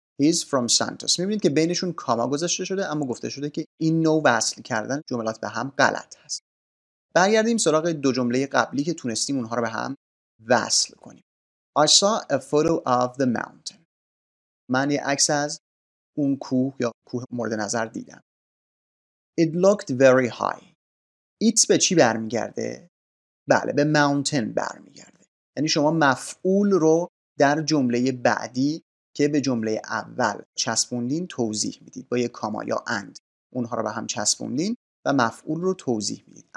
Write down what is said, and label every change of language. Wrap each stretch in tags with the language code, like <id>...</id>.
<en>He's from Santos.</en> <fa>میبینید که بینشون کاما گذاشته شده، اما گفته شده که این نوع وصل کردن جملات به هم غلط هست. برگردیم سراغ دو جمله قبلی که تونستیم اونها رو به هم وصل کنیم.</fa> <en>I saw a photo of the mountain.</en> <fa>من یه عکس از اون کوه یا کوه مورد نظر دیدم.</fa> <en>It looked very high.</en> <fa>It به چی برمیگرده؟ بله، به mountain برمیگرده. یعنی شما مفعول رو در جمله بعدی که به جمله اول چسبوندین توضیح میدید. با یه کاما یا اند اونها رو به هم چسبوندین و مفعول رو توضیح میدید.</fa>